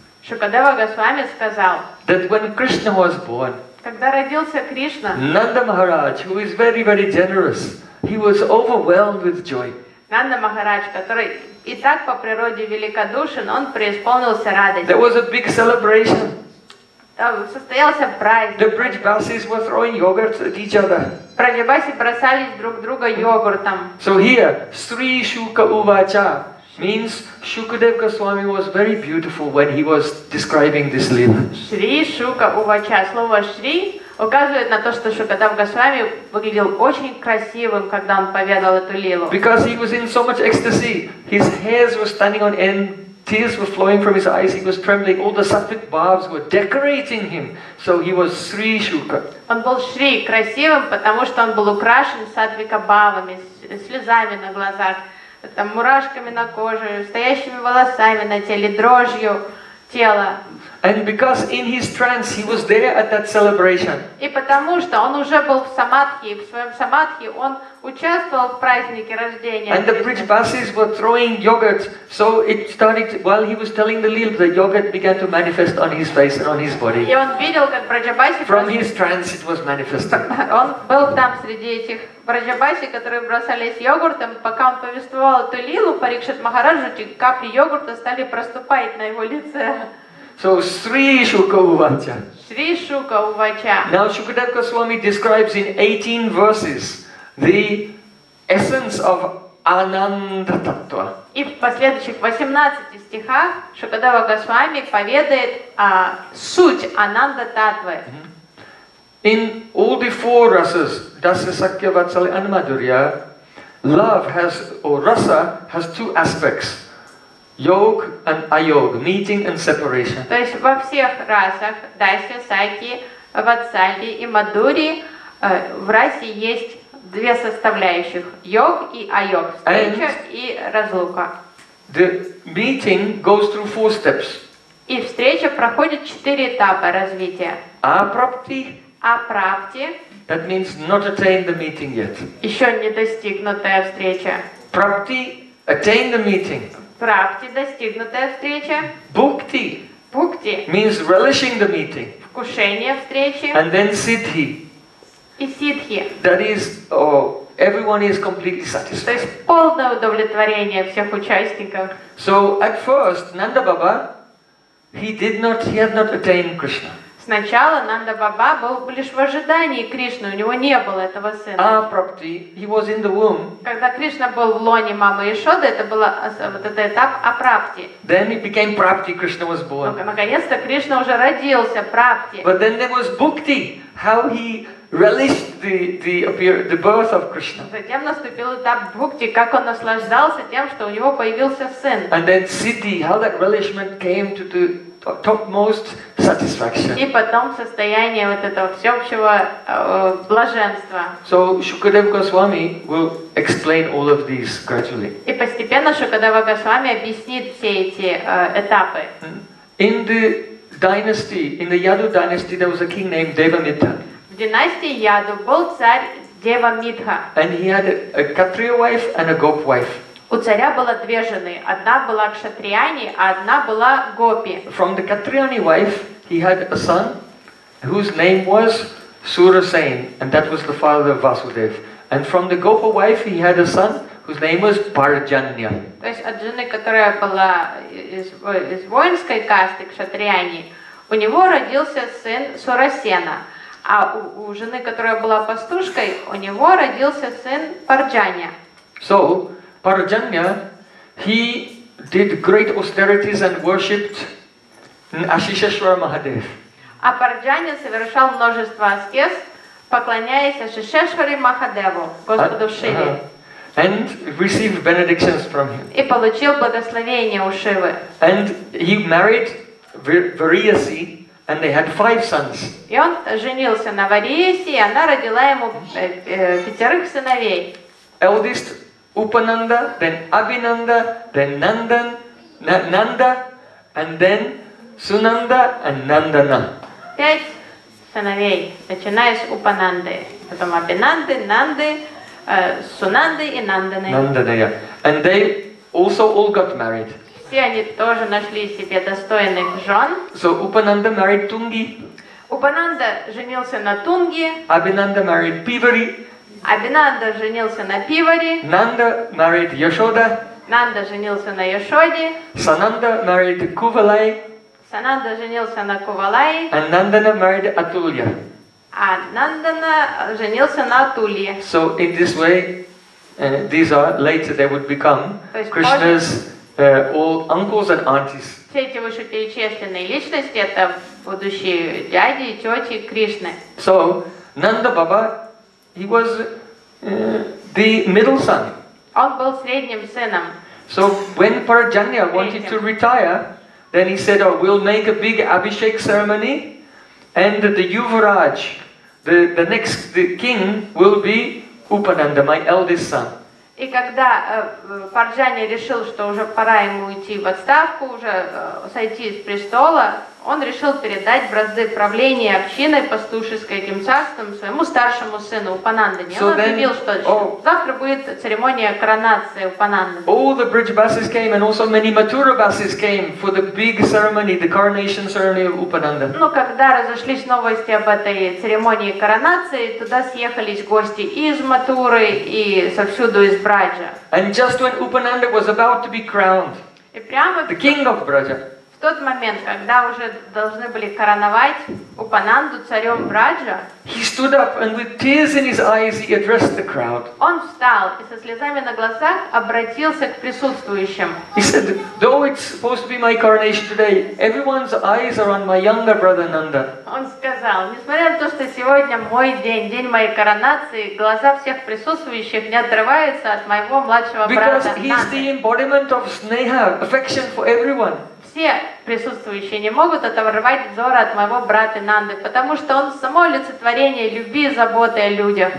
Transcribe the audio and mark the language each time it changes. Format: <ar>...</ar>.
<ru>Шукадева Госвами сказал,</ru> <en>that when Krishna was born,</en> <ru>когда родился Кришна,</ru> <en>Нанда Махарадж, who is very, very generous, he was overwhelmed with joy.</en> <ru>Нанда Махарадж, который и так по природе великодушен, он преисполнился радостью.</ru> <en>There was a big celebration.</en> <ru>Состоялся праздник.</ru> <en>The bridge buses were throwing yogurt at each other.</en> <ru>Пранибаси бросали друг друга йогуртом.</ru> <en>So here,</en> <sa>Sri Shuka Uvacha</sa> <en>means Shukadev Goswami was very beautiful when he was describing this lila.</en> <sa>Sri Shuka Uvacha.</sa> <ru>Слово Шри указывает на то, что Шукадев Госвами выглядел очень красивым, когда он поведал эту лилу.</ru> <en>Because he was in so much ecstasy, his hairs were standing on end. Tears were flowing from his eyes, he was trembling, all the sattvic bhavs were decorating him. So he was Sri Shuka.</en> <ru>Он был Шри, красивым, потому что он был украшен сатвика бхавами, слезами на глазах, там, мурашками на коже, стоящими волосами на теле, дрожью тела.</ru> <en>And because in his trance he was there at that celebration.</en> <ru>И потому что он уже был в самадхи, в своем самадхи он участвовал в празднике рождения.</ru> <en>And the bridge buses were throwing yogurt, so it started while he was telling the lila, the yogurt began to manifest on his face and on his body.</en> <ru>И он видел, как браджабаси.</ru> <en>From his trance it was manifesting.</en> <ru>Он был там среди этих браджабаси, которые бросались йогуртом, пока он повествовал эту лилу, Парикшит Махараджу, капли йогурта стали проступать на его лице.</ru> <sa>So Sri Shuka Uvacha. Sri Shuka Uvacha.</sa> <en>Now Shukadev Goswami describes in 18 verses the essence of Ananda Tattva.</en> <ru>И в последующих 18 стихах Шукадева Госвами поведает о суть Ананда Таттвы.</ru> <en>In all the four rasas, Dasa, Sakya, Vatsali, and Madhurya, love has, or rasa, has two aspects. Yog and ayog, meeting and separation.</en> <ru>То есть во всех расах, дасья, сакья, Ватсалье и Мадхури в расе есть две составляющих – йог и айог, встреча</ru> <en>and</en> <ru>и разлука.</ru> <en>The meeting goes through four steps.</en> <ru>И встреча проходит четыре этапа развития.</ru> <sa>Апрапти.</sa> <en>That means not attain the meeting yet.</en> <ru>Еще не достигнутая встреча.</ru> <en>Прапти – attain the meeting.</en> <ru>Прапти – достигнутая встреча.</ru> <sa>Бхукти. Бхукти.</sa> <en>Means relishing the meeting.</en> <ru>Вкушение встречи.</ru> <en>And then Сиддхи.</en> <ru>И Сиддхи.</ru> <en>That is, oh, everyone is completely satisfied.</en> <ru>То есть полное удовлетворение всех участников.</ru> <en>So at first, Nanda Baba, he had not attained Krishna.</en> <ru>Сначала Нанда Баба был лишь в ожидании Кришны, у него не было этого сына.</ru> <en>Апрапти, he was in the womb.</en> <ru>Когда Кришна был в лоне мамы Ишоды, это был вот этот этап апрапти.</ru> <en>Then it became прапти, Krishna was born.</en> <ru>Наконец-то Кришна уже родился, прапти.</ru> <en>But then there was бхукти, how he relished the birth of Krishna.</en> <ru>Затем наступил этап бхукти, как он наслаждался тем, что у него появился сын.</ru> <en>And then Siddhi, how that relishment came to the topmost satisfaction.</en> <ru>И потом состояние вот этого всеобщего блаженства.</ru> <en>So Shukadeva Goswami will explain all of these gradually.</en> <ru>И постепенно Шукадева Госвами объяснит все эти этапы.</ru> <en>In the dynasty, in the Yadu dynasty, there was a king named Devamitha.</en> <ru>В династии Яду был царь Девамитха.</ru> <en>And he had a Kshatriya wife and a Gop wife.</en> <ru>У царя было две жены. Одна была кшатрияни, а одна была гопи.</ru> <en>From the Kshatriyani wife, he had a son whose name was Surasen, and that was the father of Vasudev. And from the Gopa wife, he had a son whose name was Parjanya.</en> <ru>То есть от жены, которая была из воинской касты кшатрияни, у него родился сын Сурасена. А у жены, которая была пастушкой, у него родился сын Парджанья.</ru> <en>So, Parjanya, he did great austerities and worshipped Ashisheshwara Mahadev.</en> <ru>А Парджанья совершал множество аскез, поклоняясь Ашишешваре Махадеву, Господу Шиве.</ru> <en>And received benedictions from him.</en> <ru>И получил благословение у Шивы.</ru> <en>And he married Variyasi, and they had five sons.</en> <ru>И он женился на Вариеси, и она родила ему пятерых сыновей.</ru> <en>Eldest Upananda, then Abhinanda, then Nandan, Nanda, and then Sunanda and Nandana.</en> <ru>Пять сыновей, начиная с Упананды, потом Абинанды, Нанды, Сунанды и Нанданы.</ru> <en>Нандана, yeah. And they also all got married.</en> <ru>Все они тоже нашли себе достойных жен.</ru> <en>So Upananda married Tungi.</en> <ru>Упананда женился на Тунги.</ru> <en>Abhinanda married Pivari.</en> <ru>Абинанда женился на Пивари.</ru> <en>Нанда married Яшода.</en> <ru>Нанда женился на Яшоде.</ru> <en>Сананда married Кувалай.</en> <ru>Сананда женился на Кувалай.</ru> <en>And Нандана married Атулья.</en> <ru>А Нандана женился на Атулье.</ru> <en>So in this way, these are later they would become Krishna's all uncles and aunties.</en> <ru>Все эти вышеперечисленные личности это будущие дяди и тети Кришны.</ru> <en>So Нанда Баба, he was the middle son.</en> <ru>Он был средним сыном.</ru> <en>So when Parjanya wanted to retire, then he said, "Oh, we'll make a big Abhishek ceremony, and the Yuvraj, the next the king, will be Upananda, my eldest son."</en> <ru>И когда Парджанья решил, что уже пора ему уйти в отставку, уже сойти с престола, он решил передать бразды правления общиной пастушеской этим царством своему старшему сыну Упанандане.</ru> <en>So</en> <ru>он объявил, что завтра будет церемония коронации Упананды.</ru> <en>All the Brijbasis came and also many Mathurabasis came for the big ceremony, the coronation ceremony of Upananda.</en> <ru>Но когда разошлись новости об этой церемонии коронации, туда съехались гости из Матуры и совсюду из Браджа.</ru> <en>And just when Upananda was about to be crowned, the king of Braja.</en> <ru>В тот момент, когда уже должны были короновать Упананду царем Браджа,</ru> <en>he stood up and with tears in his eyes he addressed the crowd.</en> <ru>Он встал и со слезами на глазах обратился к присутствующим.</ru> <en>He said, though it's supposed to be my coronation today, everyone's eyes are on my younger brother Nanda.</en> <ru>Он сказал, несмотря на то, что сегодня мой день, день моей коронации, глаза всех присутствующих не отрываются от моего младшего брата Нанды.</ru> <en>Because he's the embodiment of sneha, affection for everyone.</en> <ru>все присутствующие не могут оторвать взоры от моего брата Нанды, потому что он само олицетворение любви и заботы о людях.</ru>